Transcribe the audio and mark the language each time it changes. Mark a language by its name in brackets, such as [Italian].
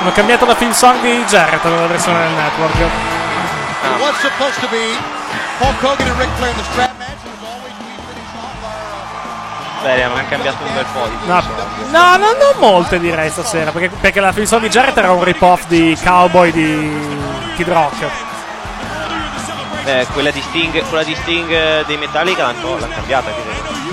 [Italian] Hanno cambiato la theme song di Jarrett nella versione del network. [English] What's supposed to be Hulk Hogan and Ric Flair in the strap match? [Italian] Beh, ma ha cambiato un bel po' di No, no, non molte direi stasera, perché la finzione di Jarrett era un rip-off di Cowboy di Kid Rock. Beh, quella di Sting dei Metallica l'ha cambiata, direi.